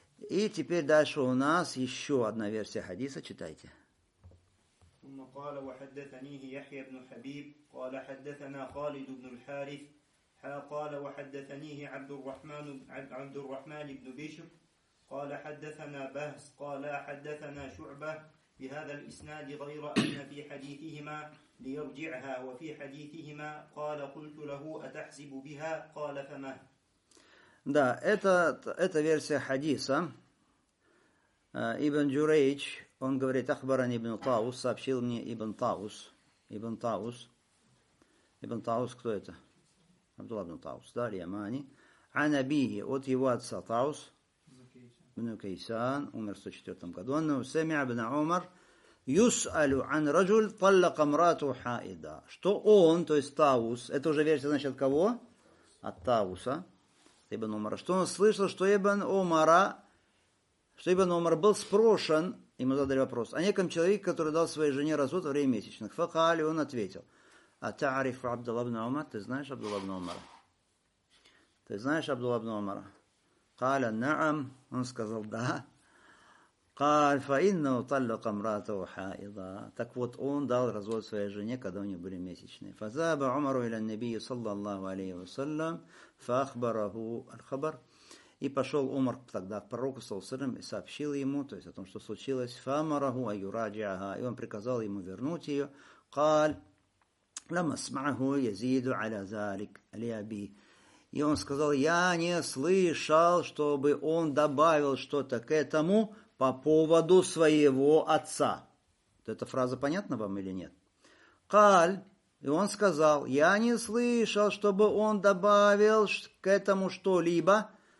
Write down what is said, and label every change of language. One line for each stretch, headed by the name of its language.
Russian: И теперь дальше у нас еще одна версия хадиса. Читайте.
Arabic: قال وحدثنيه يحيى بن حبيب قال حدثنا خالد بن الحارث قال وحدثنيه عبد الرحمن بن بشر قال حدثنا بهس قال حدثنا شعبة بهذا الإسناد غير أن في حديثهما ليرجعها وفي حديثهما قال قلت له أتحسب بها قال فما.
Russian: Да, это версия хадиса. Ибн Джурейдж, он говорит, Ахбаран ибн Таус, сообщил мне ибн Таус. Ибн Таус. Ибн Таус, кто это? Абдулла ибн Таус, да, Риамани. Анабихи, от его отца Таус. Ибн Кейсан, умер в 104 году. Он Усами ибн Умар.
Arabic: Юс'алю ан раджуль таллака мрату хаида.
Russian: Что он, то есть Таус, это уже версия, значит, от кого? От Тауса, от ибн Умара. Что он слышал, что ибн Умара, что ибн Умар был спрошен, ему задали вопрос, о неком человеке, который дал своей жене развод во время месячных. Факали, он ответил.
Arabic: А та'арифу Абдулла ибн Умар,
Russian: ты знаешь Абдулла ибн Умара? Ты знаешь Абдулла ибн Умара?
Arabic: Каля на'ам,
Russian: он сказал да.
Arabic: قال فإنه طلق امرأته حائضة.
Russian: Так вот, он дал развод своей жене, когда у него были месячные.
Arabic: فذهب عمر إلى النبي صلى الله عليه وسلم فأخبره الخبر.
Russian: И пошел Умар тогда к пророку
Arabic: صلى الله عليه وسلم
Russian: и сообщил ему, то есть о том, что случилось.
Arabic: فأمره أن يراجعها.
Russian: И он приказал ему вернуть ее.
Arabic: قال لما سمعه يزيد على ذلك لأبي.
Russian: И он сказал, я не слышал, чтобы он добавил что-то к этому по поводу своего отца. Эта фраза понятна вам или нет? Каль, и он сказал, я не слышал, чтобы он добавил к этому что-либо.